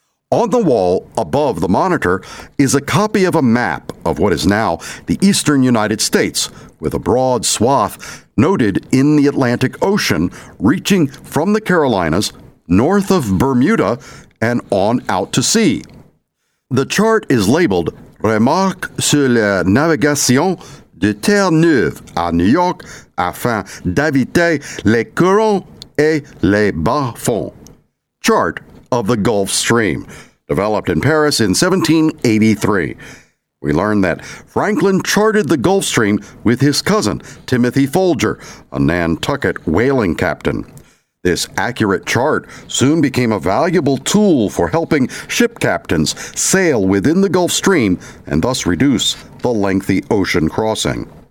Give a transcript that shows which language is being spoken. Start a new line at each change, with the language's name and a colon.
English: On the wall above the monitor is a copy of a map of what is now the eastern United States, with a broad swath noted in the Atlantic Ocean, reaching from the Carolinas north of Bermuda and on out to sea. The chart is labeled
French: Remarque sur la navigation de Terre Neuve à New York afin d'éviter les courants et les bas-fonds.
English: Chart of the Gulf Stream, developed in Paris in 1783. We learn that Franklin charted the Gulf Stream with his cousin, Timothy Folger, a Nantucket whaling captain. This accurate chart soon became a valuable tool for helping ship captains sail within the Gulf Stream and thus reduce the lengthy ocean crossing.